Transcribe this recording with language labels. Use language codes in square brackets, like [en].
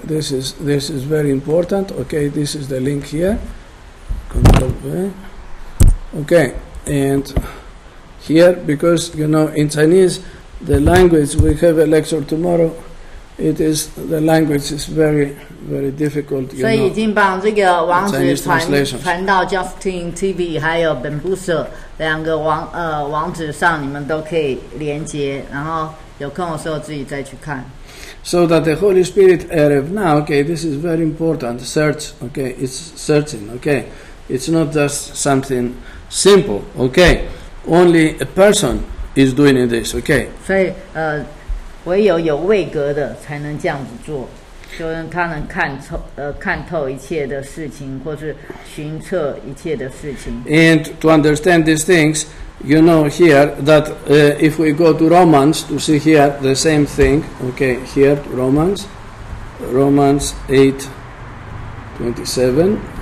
[en] This is very important, okay? This is the link here. Control V. Okay, and here, because, you know, in Chinese, the language, we have a lecture tomorrow. It is, the language is very, very difficult, you know. [zh] 所以已经把这个网址传到 Justin TV 还有 Bambusa 两个网址上，你们都可以连接，然后有空的时候自己再去看。 [en] So that the Holy Spirit Erev now, okay, this is very important, search, okay, it's searching, okay. It's not just something simple, okay. Only a person is doing this, okay? [zh] 所以唯有有位格的才能这样子做，就让他能看透一切的事情，或是寻测一切的事情。 [en] And to understand these things, you know here that if we go to Romans to see here the same thing, okay? Here Romans 8:27.